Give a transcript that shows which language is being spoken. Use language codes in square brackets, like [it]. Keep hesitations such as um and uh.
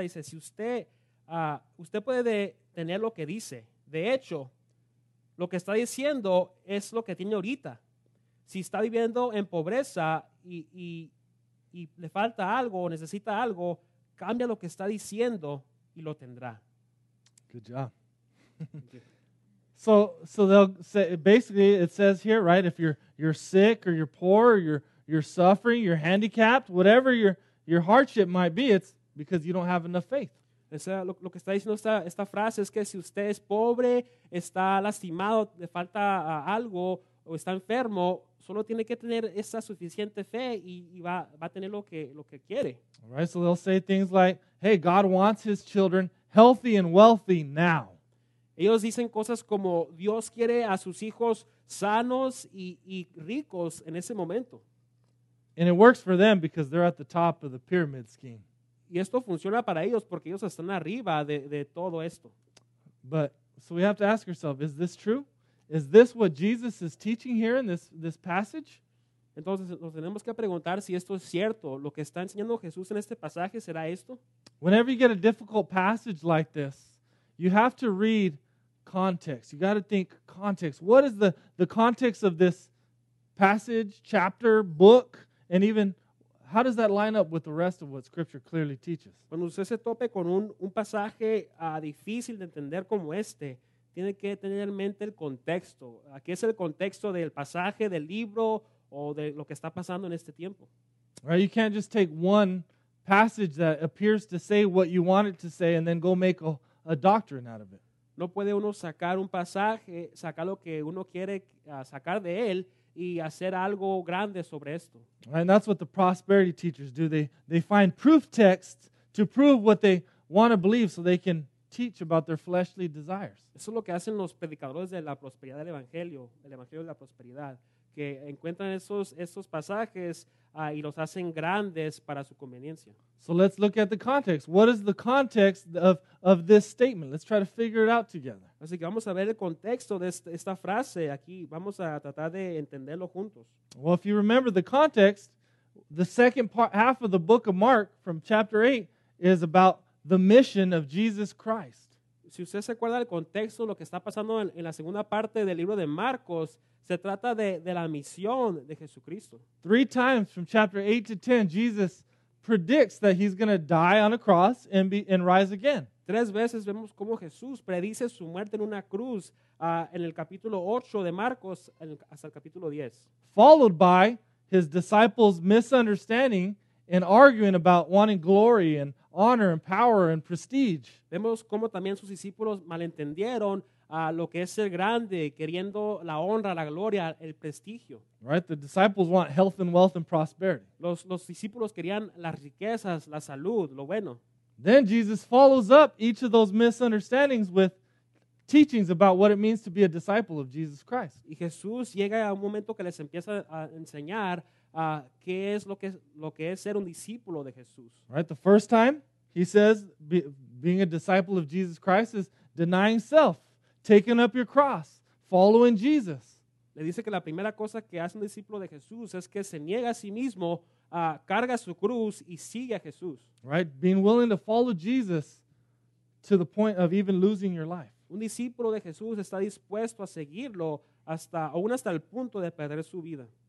[es] Dice, si usted, uh, usted puede tener lo que dice. De hecho, lo que está diciendo es lo que tiene ahorita. Si está viviendo en pobreza y, y, y le falta algo o necesita algo, cambia lo que está diciendo y lo tendrá. [en] Good job. so so they'll say basically it says here right if you're you're sick or you're poor or you're you're suffering you're handicapped whatever your your hardship might be it's because you don't have enough faith They say, [es] lo, lo que está diciendo esta, esta frase es que si usted es pobre, está lastimado, le falta uh, algo o está enfermo, solo tiene que tener esa suficiente fe y, y va, va a tener lo que, lo que quiere. [en] All right, so they'll say things like, hey, God wants his children healthy and wealthy now. [es] Ellos dicen cosas como Dios quiere a sus hijos sanos y, y ricos en ese momento. [en] And it works for them because they're at the top of the pyramid scheme. [es] Y esto funciona para ellos porque ellos están arriba de, de todo esto. [en] But so we have to ask ourselves, is this true? Is this what Jesus is teaching here in this, this passage? [es] Entonces nos tenemos que preguntar si esto es cierto, lo que está enseñando Jesús en este pasaje será esto? [en] Whenever you get a difficult passage like this, you have to read context. You got to think context. What is the, the context of this passage, chapter, book, and even how does that line up with the rest of what Scripture clearly teaches? [es] Cuando usted se tope con un, un pasaje uh, difícil de entender como este, like tiene que tener en mente el contexto. Aquí es el contexto del pasaje, del libro, o de lo que está pasando en este tiempo. [en] Right, you can't just take one passage that appears to say what you want it to say and then go make a, a doctrine out of it. [es] no puede uno sacar un pasaje, sacar lo que uno quiere sacar de él y hacer algo grande sobre esto. [en] And that's what the prosperity teachers do. They, they find proof texts to prove what they want to believe so they can teach about their fleshly desires. [es] Eso es lo que hacen los predicadores de la prosperidad del evangelio, el evangelio de la prosperidad. que encuentran esos, esos pasajes uh, y los hacen grandes para su conveniencia. [en] So let's look at the context. What is the context of, of, this statement? Let's try to figure it out together. Así [es] que vamos a ver el contexto de esta, frase aquí. Vamos a tratar de entenderlo juntos. [en] Well, if you remember the context, the second part, half of the book of Mark from chapter 8 is about the mission of Jesus Christ. [es] si usted se acuerda del contexto, lo que está pasando en, en, la segunda parte del libro de Marcos, se trata de, de la misión de Jesucristo. [en] Three times from chapter 8 to 10, Jesus predicts that he's going to die on a cross and, be, and rise again. [es] Tres veces vemos como Jesús predice su muerte en una cruz uh, en el capítulo 8 de Marcos el, hasta el capítulo 10. [en] Followed by his disciples' misunderstanding and arguing about wanting glory and honor and power and prestige. [es] Vemos como también sus discípulos malentendieron a uh, lo que es ser grande, queriendo la honra, la gloria, el prestigio. [en] Right, the disciples want health and wealth and prosperity. [es] Los los discípulos querían las riquezas, la salud, lo bueno. [en] Then Jesus follows up each of those misunderstandings with teachings about what it means to be a disciple of Jesus Christ. [es] Y Jesús llega a un momento que les empieza a enseñar uh, qué es lo que, lo que es ser un discípulo de Jesús. [en] Right, the first time he says be, being a disciple of Jesus Christ is denying self, taking up your cross, following Jesus. [es] Le dice que la primera cosa que hace un discípulo de Jesús es que se niega a sí mismo, uh, carga su cruz y sigue a Jesús. [en] Right, being willing to follow Jesus to the point of even losing your life. [es] Un discípulo de Jesús está dispuesto a seguirlo hasta, aún hasta el punto de perder su vida.